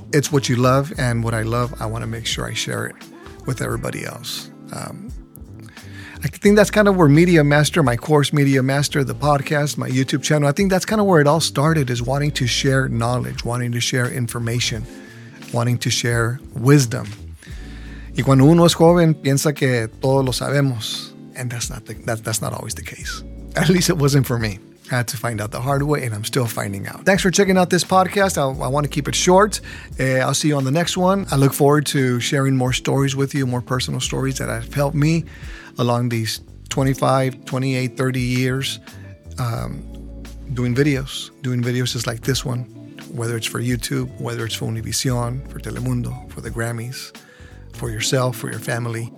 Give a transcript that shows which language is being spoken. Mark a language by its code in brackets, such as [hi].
[en] It's what you love and what I love. I want to make sure I share it with everybody else. I think that's kind of where Media Master, my course Media Master, the podcast, my YouTube channel, I think that's kind of where it all started, is wanting to share knowledge, wanting to share information, wanting to share wisdom. [es] Y cuando uno es joven, piensa que todo lo sabemos. [en] And that's not always the case. At least it wasn't for me. I had to find out the hard way, and I'm still finding out. Thanks for checking out this podcast. I want to keep it short. I'll see you on the next one. I look forward to sharing more stories with you, more personal stories that have helped me along these 25, 28, 30 years doing videos just like this one, whether it's for YouTube, whether it's for Univision, for Telemundo, for the Grammys, for yourself, for your family.